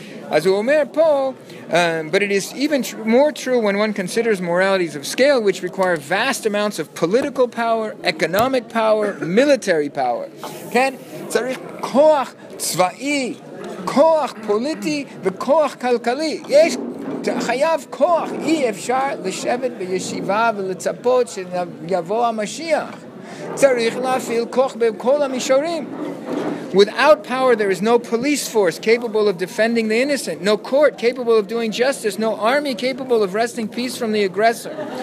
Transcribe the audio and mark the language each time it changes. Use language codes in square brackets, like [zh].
[he] אז הוא אומר פה, [en] but it is even more true when one considers moralities of scale, which require vast amounts of political power, economic power, military power. [he] כן? צריך כוח צבאי, כוח פוליטי וכוח כלכלי. יש חייב כוח, אי אפשר לשבת בישיבה ולצפות שיבוא המשיח. צריך להפעיל כוח בכל המישורים. [en] Without power there is no police force capable of defending the innocent, no court capable of doing justice, no army capable of wresting peace from the aggressor.